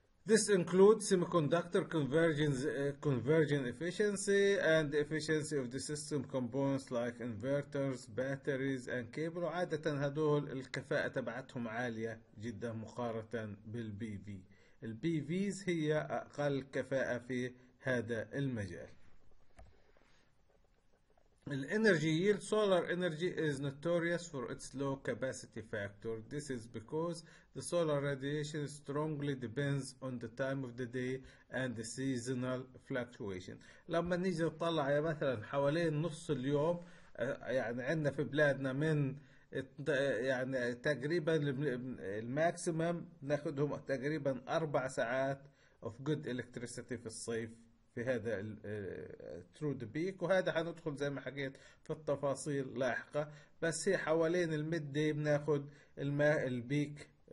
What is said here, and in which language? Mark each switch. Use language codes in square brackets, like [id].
[en] This includes semiconductor conversion efficiency and efficiency of the system components like inverters, batteries and cable. [ar] عادة هدول الكفاءة تبعتهم عالية جدا مقارنة بالPV. الPVs هي أقل كفاءة في هذا المجال. [en] الانرجي yield solar energy is notorious for its low capacity factor. This is because the solar radiation strongly depends on the time of the day and the seasonal fluctuation. [ar] لما نيجي نطلع يا مثلا حوالين نص اليوم، يعني عندنا في بلادنا من يعني تقريبا الماكسيمم ناخذهم تقريبا 4 ساعات [en] of good electricity [ar] في الصيف في هذا [en] through the peak, [ar] وهذا حندخل زي ما حكيت في التفاصيل لاحقة، بس هي حوالين الميد دي بناخذ البيك